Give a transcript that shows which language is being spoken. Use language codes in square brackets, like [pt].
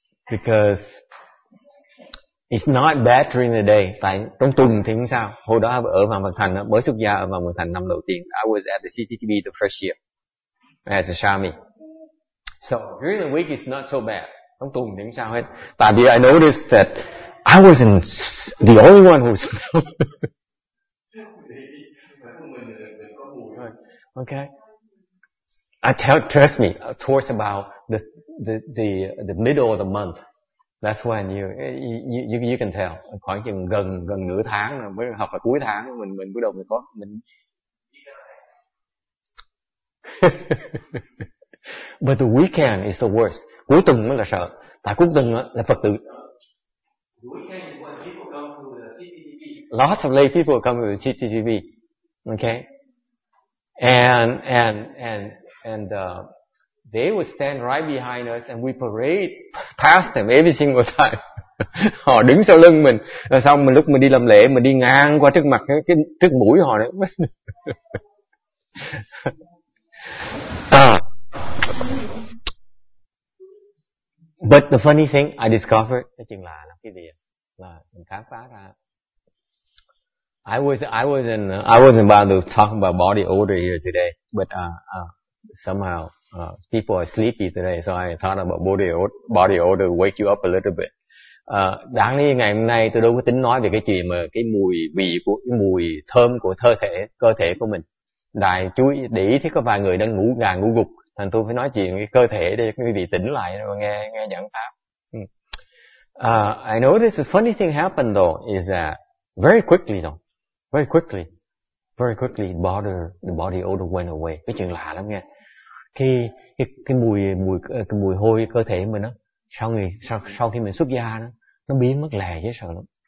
[en] Because it's not bad during the day. [vi] Tại trong tuần thì không sao. Hồi đó ở vào Mường Thành, mới xuất gia ở vào Mường Thành năm đầu tiên. [en] I was at the CCTV the first year as a Shami. So during the week it's not so bad. [vi] Trong tuần thì không sao hết. Tại vì [en] I noticed that I wasn't the only one who's. Okay. Trust me. Towards about the middle of the month, that's when you can tell. [vi] Khoảng chừng gần nửa tháng mới học là cuối tháng mình bắt đầu mình có mình. [en] But the weekend is the worst. [vi] Cuối tuần mới là sợ. Tại cuối tuần là Phật tử. [en] Lots of lay people come to the CCTV. Okay. And they would stand right behind us and we parade past them every single time. [vi] Họ đứng sau lưng mình. Rồi xong mình lúc mình đi làm lễ mình đi ngang qua trước mặt cái trước mũi họ đấy. [en] But the funny thing I discovered, [vi] cái chuyện lạ là cái gì là mình khám phá ra. [en] I wasn't about to talk about body odor here today, but somehow people are sleepy today, so I thought about body odor wake you up a little bit. [vi] Đáng lý ngày hôm nay tôi đâu có tính nói về cái chuyện mà cái mùi vị của cái mùi thơm của cơ thể của mình. Đại chú ý để ý thấy có vài người đang ngủ gà ngủ gục, thành tôi phải nói chuyện cái cơ thể để quý vị tỉnh lại và nghe giảng pháp. [en] I noticed a funny thing happened though is that very quickly the body odor went away. [vi] Cái chuyện lạ lắm nghe. Cái mùi hôi cơ thể mình đó, sau khi mình xuất gia đó, nó biến mất lè chứ sợ lắm.